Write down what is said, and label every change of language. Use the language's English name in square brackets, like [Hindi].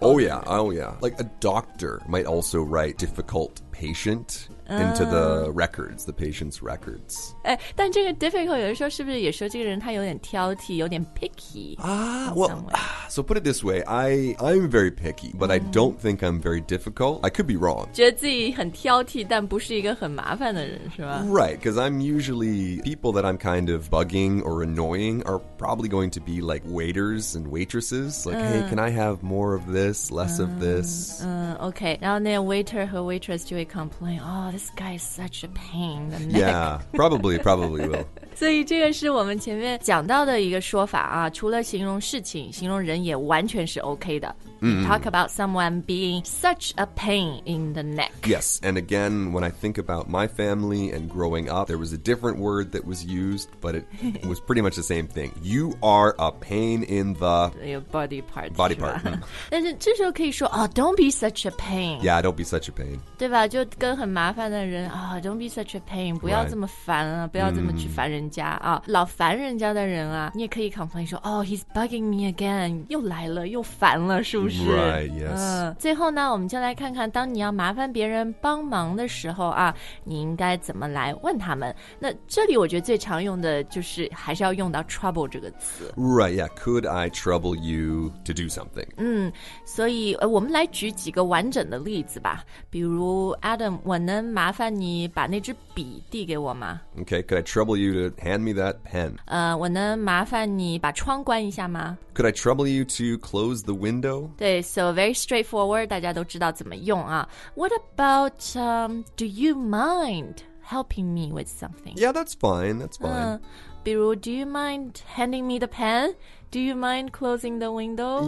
[English] oh yeah oh yeah like a doctor might also write difficult patient into the records the patient's records [Chinese] 哎但这个 difficult 有的时候是不是也说这个人他有点挑剔有点 picky [English] So put it this way, I'm very picky, but I don't think I'm very difficult. I could be wrong. [Chinese] 觉得自己很挑剔但不是一个很麻烦的人是吧 [English] Right, because I'm usually people that I'm kind of bugging or annoying are probably going to be like waiters and waitresses. Like, hey, can I have more of this, less of this? Okay, [Chinese] 然后那 [English] waiter 和 waitress [Chinese] 就会 [English] complain, oh, this guy is such a pain. The neck. Yeah, probably will. [Chinese] 所以这个是我们前面讲到的一个说法啊，除了形容事情，形容人也完全是 OK 的。 [English] Talk about someone being such a pain in the neck. Yes, and again, when I think about my family and growing up, there was a different word that was used, but it was pretty much the same thing. You are a pain in the... Your body part. Body part. [Chinese] 但是这时候可以说、 [English] oh, don't be such a pain. Yeah, don't be such a pain. [Chinese] 对吧就跟很麻烦的人、 [English] oh, don't be such a pain. [Chinese] 不要这么烦啊、 [English] right. [Chinese] 不要这么去烦人家啊、oh, 老烦人家的人啊你也可以 complain 说、 [English] oh, he's bugging me again. [Chinese] 又来了又烦了是不是 [English] Right, yes. [Chinese] 最后呢我们就来看看当你要麻烦别人帮忙的时候啊你应该怎么来问他们。那这里我觉得最常用的就是还是要用到 trouble 这个词。 [English] Right, yeah. Could I trouble you to do something? [Chinese] 所以我们来举几个完整的例子吧。比如 Adam, 我能麻烦你把那支笔递给我吗? [English] Okay, could I trouble you to hand me that pen? [Chinese] 我能麻烦你把窗关一下吗? [English] Could I trouble you to close the window? 对 so very straightforward [Chinese] 大家都知道怎么用啊 [English] What about, do you mind helping me with something? Yeah, that's fine. 比如 do you mind handing me the pen? Do you mind closing the window?